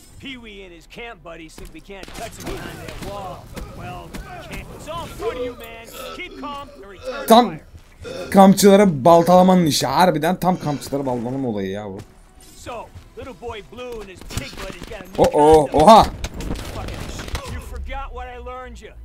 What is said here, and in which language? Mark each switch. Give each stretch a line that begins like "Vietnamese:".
English: Pee-wee and his camp buddies think we can't touch him behind that wall. Well, it's all for you, man. Keep calm and return.
Turkish: Tam kampçılara baltalamanın işi. Harbiden tam kampçılara baltalamanın olayı ya bu.
English: So, little boy Blue and his pig buddies got a new concept. Oh, oh, oha! You forgot what I learned you.